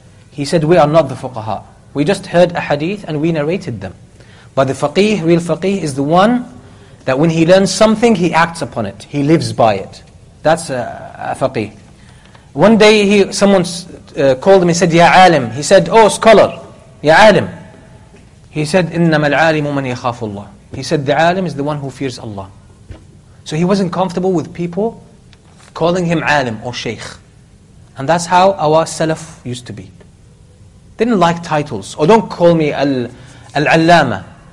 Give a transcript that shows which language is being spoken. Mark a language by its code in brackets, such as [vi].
[en] He said, we are not the fuqaha. We just heard a hadith and we narrated them. But the faqih, real faqih, is the one that when he learns something, he acts upon it. He lives by it. That's a faqih. One day someone called him and said, Ya Alim. He said, oh, scholar, Ya Alim. He said, [ar] إِنَّمَا الْعَالِمُ مَنْ يَخَافُ اللَّهِ. [en] He said, the Alim is the one who fears Allah. So he wasn't comfortable with people calling him Alim or Shaykh. And that's how our Salaf used to be. Didn't like titles. Or don't call me Al-Allama.